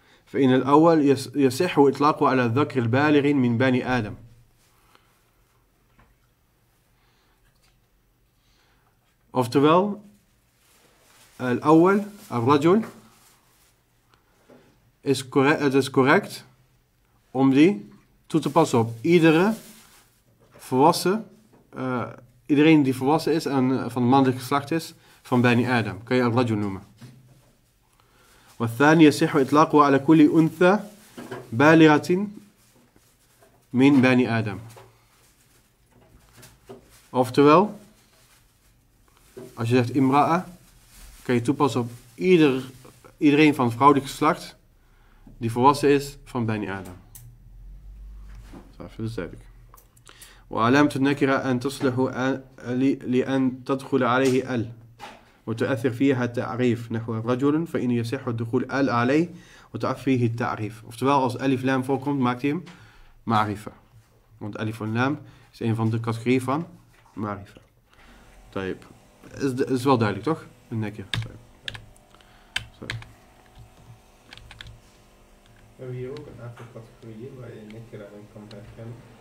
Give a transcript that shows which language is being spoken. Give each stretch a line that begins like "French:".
Arabic: فإن الأول يصح إطلاقه على الذكر البالغ من بني آدم.
Dutch: Oftewel, الأول الرجل is correct, het is correct om die toe te passen op iedere volwassen, iedereen die volwassen is en van mannelijk geslacht is van bani Adam. Kan je الرجل noemen.
Arabic: والثاني يصح إطلاقه على كل أنثى بالغة من بني آدم.
Dutch: Oftewel, als je zegt imra'a, kan je toepassen op iedereen van vrouwelijk geslacht die volwassen is van bani Adam. Dat zei ik.
Arabic: وعلامة النكرة أن تصلح لأن تدخل عليه ال وتؤثر فيها التعريف نحو رجل فإن يصح الدخول ال عليه وتعفيه التعريف.
Dutch: Oftewel, als alif lam voorkomt, maakt hij hem ma'rifa. Want alif lam is een van de categorieën van ma'rifa. طيب. Is wel duidelijk, toch? Een nekje. We hebben hier ook een aantal categorieën waar je nekje aan kan herkennen.